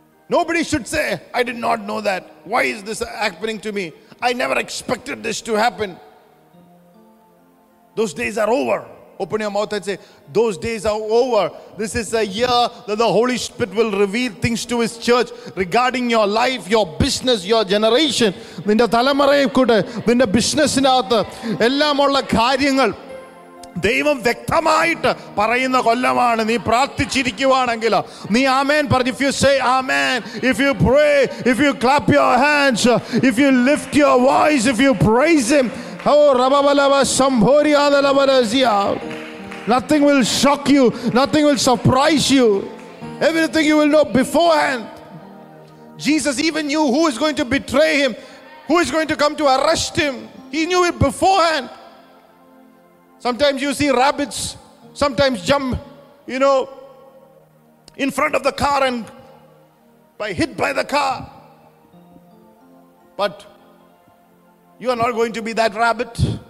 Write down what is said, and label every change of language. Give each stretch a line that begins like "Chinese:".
English: Nobody should say, I did not know that. Why is this happening to me? I never expected this to happen. Those days are over. Open your mouth and say, those days are over. This is a year that the Holy Spirit will reveal things to His church regarding your life, your business, your generation.
Malayalam: നിന്റെ തലമുറയെ കൂട്ട്, നിന്റെ ബിസിനസ്സിനകത്ത് എല്ലാമുള്ള കാര്യങ്ങൾ ദൈവം വ്യക്തമായിട്ട് പറയുന്ന കൊല്ലമാണ്. നീ പ്രാർത്ഥിച്ചിരിക്കുവാണെങ്കിൽ നീ ആമേൻ പറഞ്ഞു.
English: If you say amen, if you pray, if you clap your hands, if you lift your voice, if you praise him, oh റബബലവ സംഭോരിയാദലവരസിയ, nothing will shock you, nothing will surprise you, everything you will know beforehand. Jesus even knew who is going to betray him, who is going to come to arrest him. He knew it beforehand. Sometimes you see rabbits sometimes jump, you know, in front of the car and by hit by the car. But you are not going to be that rabbit.